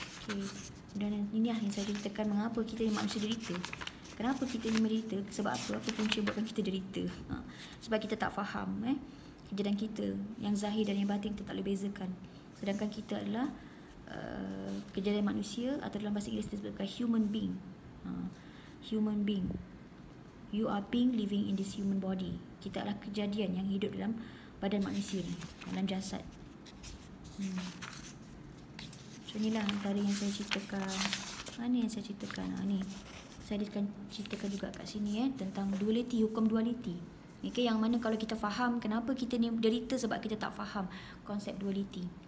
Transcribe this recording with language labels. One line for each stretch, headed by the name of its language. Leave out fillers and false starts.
Malay: Okay. Dan ini lah yang saya ceritakan mengapa kita yang manusia derita. Kenapa kita yang derita? Sebab apa? Apa punca buatkan kita derita? Sebab kita tak faham, kejadian kita yang zahir dan yang batin kita tak boleh bezakan. Sedangkan kita adalah kejadian manusia, atau dalam bahasa Inggeris disebutkan human being.
English: Human being. You are being living in this human body.
Malay: Kita adalah kejadian yang hidup dalam badan manusia ni, dalam jasad. So inilah antara yang saya ceritakan. Mana yang saya ceritakan? Ni. Saya akan ceritakan juga kat sini tentang duality, hukum duality. Okay, yang mana kalau kita faham kenapa kita ni derita, sebab kita tak faham konsep duality.